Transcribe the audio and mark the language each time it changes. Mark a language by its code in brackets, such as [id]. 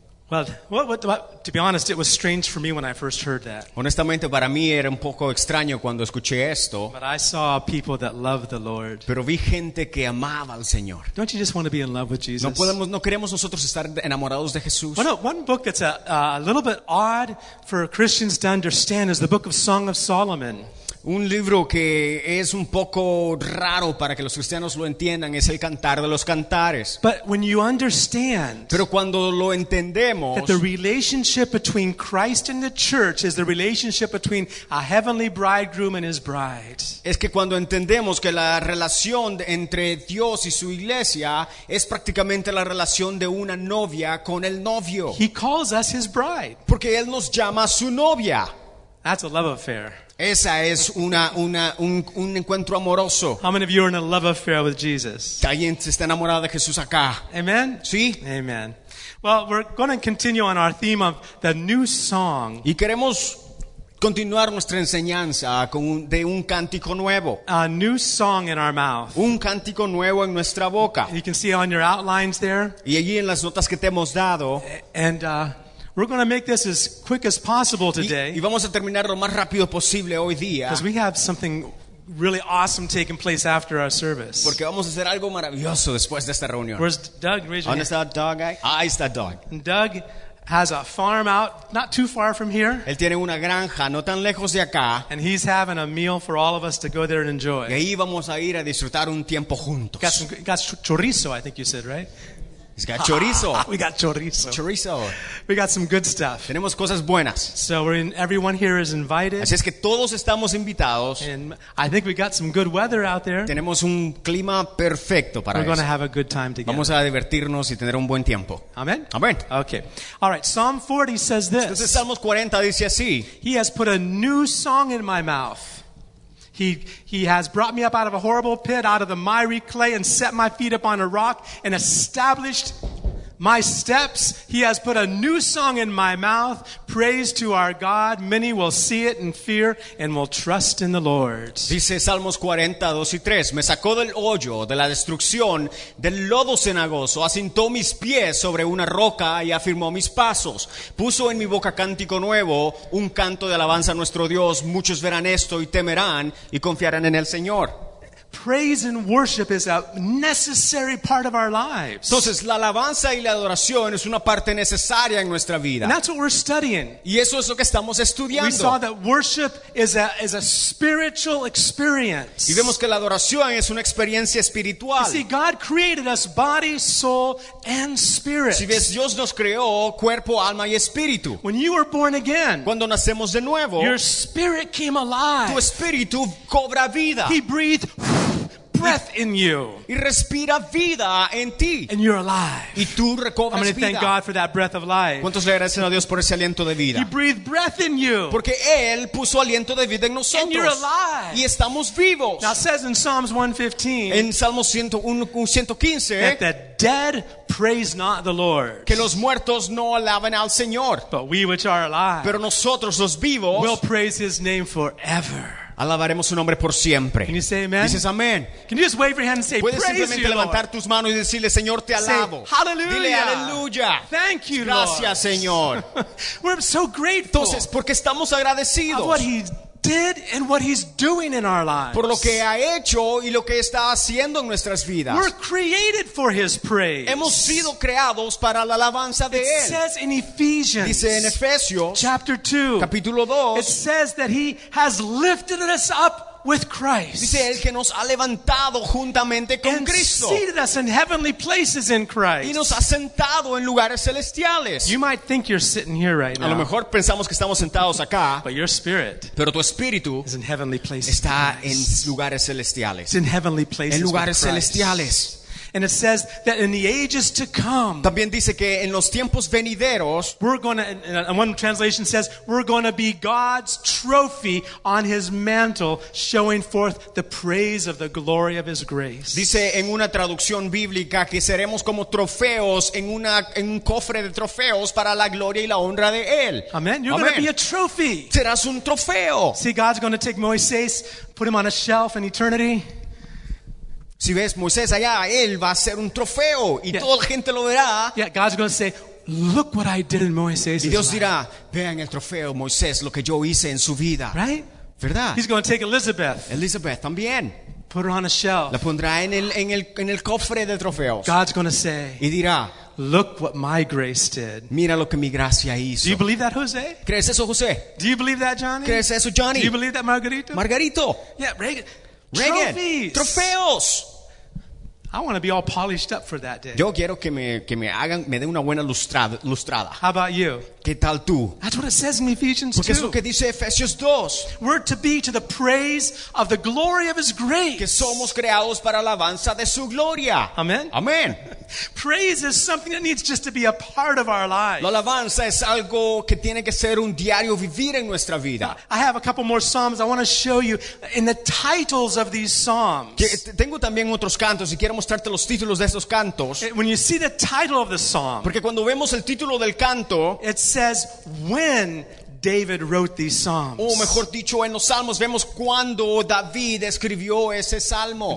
[en] Well, what, to be honest, it was strange for me when I first heard that. [es] Honestamente, para mí era un poco extraño cuando escuché esto. [en] But I saw people that loved the Lord. [es] Pero vi gente que amaba al Señor. [en] Don't you just want to be in love with Jesus? [es] No queremos nosotros estar enamorados de Jesús. [en] Well, one book that's a little bit odd for Christians to understand is the book of Song of Solomon. [es] Un libro que es un poco raro para que los cristianos lo entiendan es el Cantar de los Cantares. [en] But when you understand, [es] pero cuando lo entendemos, [en] that the relationship between Christ and the church is the relationship between a heavenly bridegroom and his bride. [es] Es que cuando entendemos que la relación entre Dios y su iglesia es prácticamente la relación de una novia con el novio. [en] He calls us his bride. [es] Porque él nos llama su novia. [en] That's a love affair. [es] Esa es un encuentro amoroso. [en] How many of you are in a love affair with Jesus? [es] ¿Alguien está enamorado de Jesús acá? [en] Amen. [es] Sí. [en] Amen. Well, we're going to continue on our theme of the new song. [es] Y queremos continuar nuestra enseñanza de un cántico nuevo. [en] A new song in our mouth. [es] Un cántico nuevo en nuestra boca. [en] You can see on your outlines there. [es] Y allí en las notas que te hemos dado. [en] We're going to make this as quick as possible today. [es] Y vamos a terminar lo más rápido posible hoy día. [en] Because we have something really awesome taking place after our service. [es] Porque vamos a hacer algo maravilloso después de esta reunión. [en] Where's Doug? [es] ¿Dónde está Doug? Ahí está Doug. [en] Doug has a farm out not too far from here. [es] Él tiene una granja no tan lejos de acá. [en] And he's having a meal for all of us to go there and enjoy. [es] Y ahí vamos a ir a disfrutar un tiempo juntos. [en] Got chorizo, I think you said, right? He's got chorizo. We got chorizo. Chorizo. We got some good stuff. [es] Tenemos cosas buenas. [en] So everyone here is invited. [es] Así es que todos estamos invitados. [en] And I think we got some good weather out there. [es] Tenemos un clima perfecto para eso. [en] We're going to have a good time together. [es] Vamos a divertirnos y tener un buen tiempo. [en] Amen. [es] Amen. [en] Okay. All right. Psalm 40 says this. [es] Entonces Salmos 40 dice así. [en] He has put a new song in my mouth. He has brought me up out of a horrible pit, out of the miry clay, and set my feet upon a rock, and established my steps. He has put a new song in my mouth, praise to our God. Many will see it and fear, and will trust in the Lord. [es] Dice Salmos 40, 2 y 3. Me sacó del hoyo, de la destrucción, del lodo cenagoso. Asentó mis pies sobre una roca y afirmó mis pasos. Puso en mi boca cántico nuevo, un canto de alabanza a nuestro Dios. Muchos verán esto y temerán y confiarán en el Señor. [en] Praise and worship is a necessary part of our lives. [es] Entonces, la alabanza y la adoración es una parte necesaria en nuestra vida. [en] And that's what we're studying. [es] Y eso es lo que estamos estudiando. [en] We saw that worship is a spiritual experience. [es] Y vemos que la adoración es una experiencia espiritual. [en] You see, God created us body, soul, and spirit. [es] Si ves, Dios nos creó cuerpo, alma y espíritu. [en] When you were born again, [es] cuando nacemos de nuevo, [en] your spirit came alive. [es] Tu espíritu cobra vida. [en] He breathed breath in you. [es] Y respira vida en ti. [en] And you're alive. [es] Y tú recobras [en] vida. I'm going to thank God for that breath of life. [es] ¿Cuántos le agradecen a Dios por ese aliento de vida? [en] He breathed breath in you. [es] Porque él puso aliento de vida en nosotros. [en] And you're alive. [es] Y estamos vivos. [en] Now it says in Psalms 115. [es] En Salmos 115. [en] That the dead praise not the Lord. [es] Que los muertos no alaban al Señor. [en] But we which are alive. [es] Pero nosotros los vivos. [en] Will praise his name forever. [es] Alabaremos su nombre por siempre. [en] Can you say amen? [es] Dices amén. [en] Can you just wave your hand and say praise you, Lord? [es] Puedes simplemente levantar tus manos y decirle, Señor, te alabo. [en] Say hallelujah. [es] Dile aleluya. [en] Thank you, [es] gracias, [en] Lord. [es] Señor. [en] We're so grateful. [es] Entonces, porque estamos agradecidos. [en] Of what he did and what he's doing in our lives. [es] Por lo que ha hecho y lo que está haciendo en nuestras vidas. [en] We're created for his praise. [es] Hemos sido creados para la alabanza de él. [en] It says in Ephesians. [es] Dice en Efesios. [en] Chapter 2. [es] Capítulo 2. [en] It says that he has lifted us up with Christ. [es] Dice él que nos ha levantado juntamente con Cristo. [en] And seated us in heavenly places in Christ. [es] Y nos ha sentado en lugares celestiales. [en] You might think you're sitting here right now. [es] A lo mejor pensamos que estamos sentados acá. [en] But your spirit. [es] Pero tu espíritu [en] is in heavenly places. [es] Está en lugares celestiales. [en] It's in heavenly places. [es] En lugares celestiales. [en] And it says that in the ages to come. [es] También dice que en los tiempos venideros, [en] we're going to, and one translation says, we're going to be God's trophy on his mantle, showing forth the praise of the glory of his grace. [es] Dice en una traducción bíblica que seremos como trofeos en una en un cofre de trofeos para la gloria y la honra de él. [en] Amen. You're going to be a trophy. [es] Serás un trofeo. [en] See, God's going to take Moisés, put him on a shelf in eternity. [es] Si ves Moisés allá, él va a ser un trofeo y yeah. Toda la gente lo verá. [en] Yeah, God's going to say, look what I did in Moisés. [es] Y Dios dirá, vean el trofeo, Moisés, lo que yo hice en su vida. [en] Right? [es] ¿Verdad? [en] He's going to take Elizabeth. [es] Elizabeth también. [en] Put her on a shelf. [es] La pondrá en el cofre de trofeos. [en] God's going to say. [es] Y dirá, [en] look what my grace did. [es] Mira lo que mi gracia hizo. [en] Do you believe that, Jose? [es] ¿Crees eso, José? [en] Do you believe that, Johnny? [es] ¿Crees eso, Johnny? [en] Do you believe that, Margarito? [es] Margarito. [en] Yeah, Reagan. Trophies. [es] Trofeos. [en] I want to be all polished up for that day. [es] Yo quiero que me hagan, me den una buena lustrada. [en] How about you? [es] ¿Qué tal tú? [en] That's what it says in Ephesians [es] 2. Porque es lo que dice Efesios 2. [en] We're to be to the praise of the glory of his grace. [es] Que somos creados para alabanza de su gloria. [en] Amen. [es] Amen. [en] Praise is something that needs just to be a part of our lives. [es] La alabanza es algo que tiene que ser un diario vivir en nuestra vida. [en] I have a couple more psalms I want to show you in the titles of these psalms. [es] Tengo también otros cantos y quiero mostrarte los títulos de esos cantos. [en] When you see the title of the psalm, [es] porque cuando vemos el título del canto, [en] it says when David wrote these psalms. [es] O mejor dicho, en los salmos vemos cuando David escribió ese salmo.